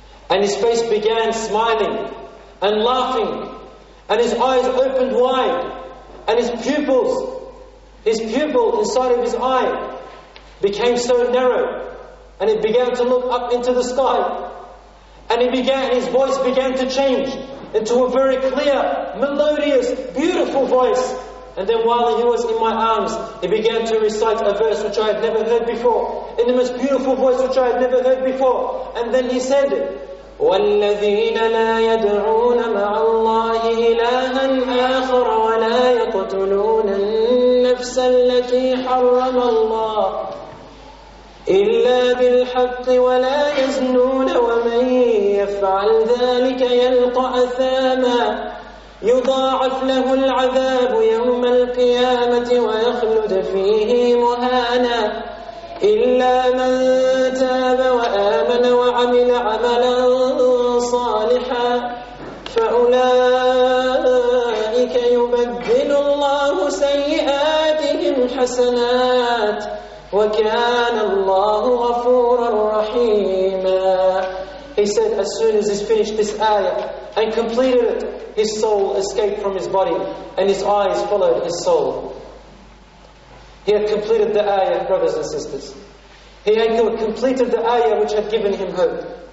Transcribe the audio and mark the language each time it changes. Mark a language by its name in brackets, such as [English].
[English] And his face began smiling and laughing, and his eyes opened wide, and his pupil inside of his eye became so narrow, and it began to look up into the sky, and his voice began to change into a very clear, melodious, beautiful voice. And then while he was in my arms, he began to recite a verse which I had never heard before, in the most beautiful voice which I had never heard before. And then he said, [Arabic] والذين لا يدعون مع الله إلها آخر ولا يقتلون النفس التي حرم الله إلا بالحق ولا يزنون ومن يفعل ذلك يلقى أثاما يضاعف له العذاب يوم القيامة ويخلد فيه مهانا إلا من تاب وآمن وعمل عملا صالحا فأولئك يبدل الله سيئاتهم حسنات وكان الله غفورا رحيما. [English] He said, as soon as he finished this ayah and completed it, his soul escaped from his body and his eyes followed his soul. He had completed the ayah, brothers and sisters. He had completed the ayah which had given him hope.